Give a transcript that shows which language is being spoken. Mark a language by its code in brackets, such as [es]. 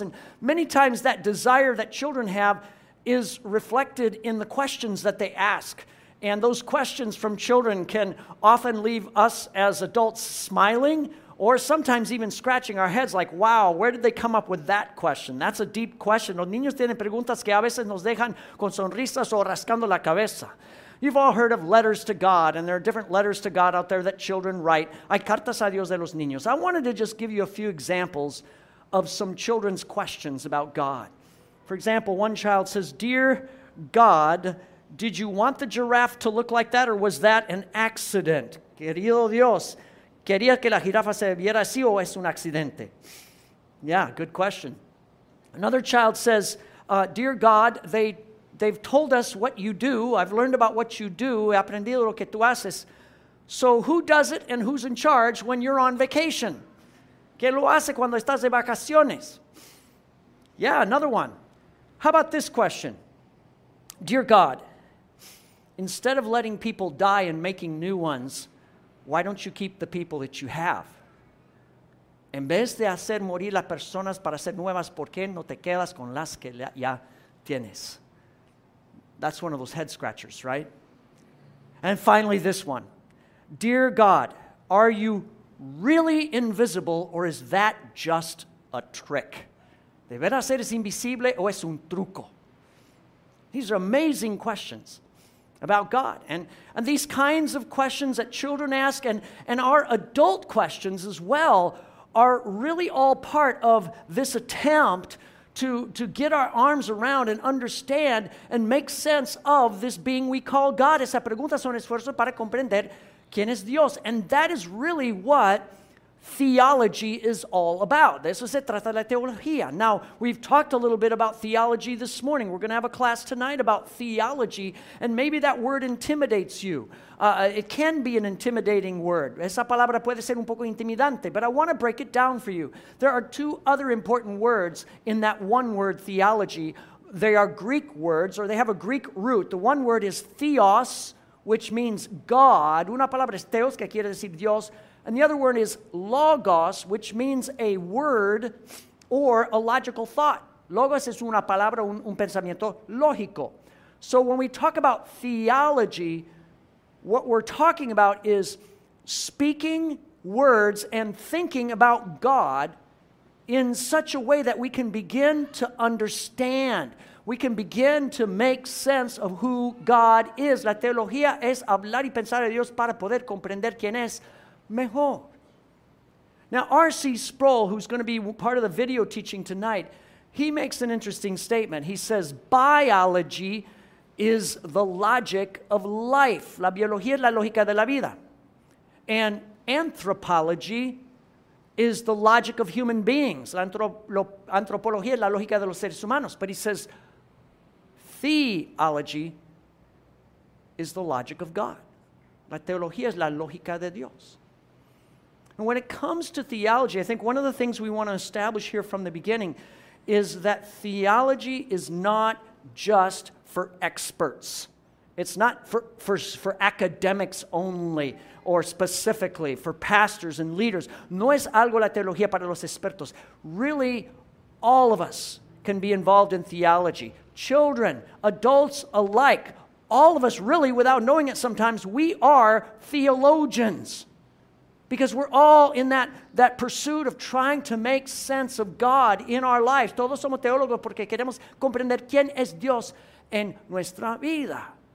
[en] And many times that desire that children have is reflected in the questions that they ask. And those questions from children can often leave us as adults smiling or sometimes even scratching our heads like, wow, where did they come up with that question? That's a deep question. [es] Los niños tienen preguntas que a veces nos dejan con sonrisas o rascando la cabeza. [en] You've all heard of letters to God, and there are different letters to God out there that children write. [es] Hay cartas a Dios de los niños. [en] I wanted to just give you a few examples of some children's questions about God. For example, one child says, "Dear God, did you want the giraffe to look like that, or was that an accident?" [es] Querido Dios, ¿querías que la jirafa se viera así o es un accidente? [en] Yeah, good question. Another child says, "Dear God, they've told us what you do. I've learned about what you do. [es] He aprendido lo que tú haces. [en] So who does it and who's in charge when you're on vacation? [es] ¿Qué lo hace cuando estás de vacaciones?" [en] Yeah, another one. How about this question? "Dear God, instead of letting people die and making new ones, why don't you keep the people that you have? [es] En vez de hacer morir las personas para hacer nuevas, ¿por qué no te quedas con las que ya tienes?" [en] That's one of those head scratchers, right? And finally, this one. "Dear God, are you really invisible, or is that just a trick? [es] ¿De veras eres invisible o es un truco?" [en] These are amazing questions about God. And these kinds of questions that children ask and our adult questions as well are really all part of this attempt to get our arms around and understand and make sense of this being we call God. [es] Esa pregunta es un esfuerzo para comprender quién es Dios. [en] And that is really what theology is all about. [es] De eso se trata la teología. [en] Now, we've talked a little bit about theology this morning. We're going to have a class tonight about theology, and maybe that word intimidates you. It can be an intimidating word. [es] Esa palabra puede ser un poco intimidante, [en] but I want to break it down for you. There are two other important words in that one word, theology. They are Greek words, or they have a Greek root. The one word is theos, which means God. [es] Una palabra es theos, que quiere decir Dios. [en] And the other word is logos, which means a word or a logical thought. [es] Logos es una palabra, un pensamiento lógico. [en] So when we talk about theology, what we're talking about is speaking words and thinking about God in such a way that we can begin to understand. We can begin to make sense of who God is. [es] La teología es hablar y pensar a Dios para poder comprender quién es mejor. [en] Now, R.C. Sproul, who's going to be part of the video teaching tonight, he makes an interesting statement. He says, "Biology is the logic of life." [es] La biología es la lógica de la vida. [en] "And anthropology is the logic of human beings." [es] La antropología es la lógica de los seres humanos. [en] But he says, "Theology is the logic of God." [es] La teología es la lógica de Dios. [en] And when it comes to theology, I think one of the things we want to establish here from the beginning is that theology is not just for experts. It's not for academics only, or specifically for pastors and leaders. [es] No es algo la teología para los expertos. [en] Really, all of us can be involved in theology. Children, adults alike, all of us really, without knowing it sometimes, we are theologians. Because we're all in that pursuit of trying to make sense of God in our lives. [es] Todos somos teólogos porque queremos comprender quién es Dios en nuestra vida.